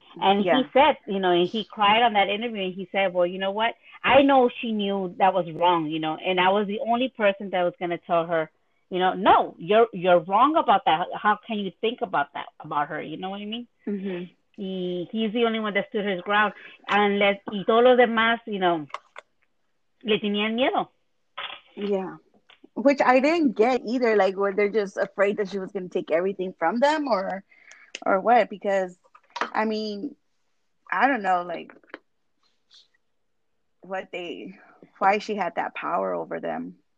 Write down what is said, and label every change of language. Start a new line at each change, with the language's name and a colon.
English: And he said, you know, and he cried on that interview, and he said, well, you know what? I know she knew that was wrong, you know, and I was the only person that was going to tell her, you know, no, you're wrong about that. How can you think about that, about her? You know what I mean? Mm-hmm. He's the only one that stood his ground. Unless,
Spanish: y todos los demás,
English: you know,
Spanish: le tenían miedo.
English: Yeah. Which I didn't get either. Like, were they just afraid that she was going to take everything from them, or what? Because, I mean, I don't know, like, why she had that power over them.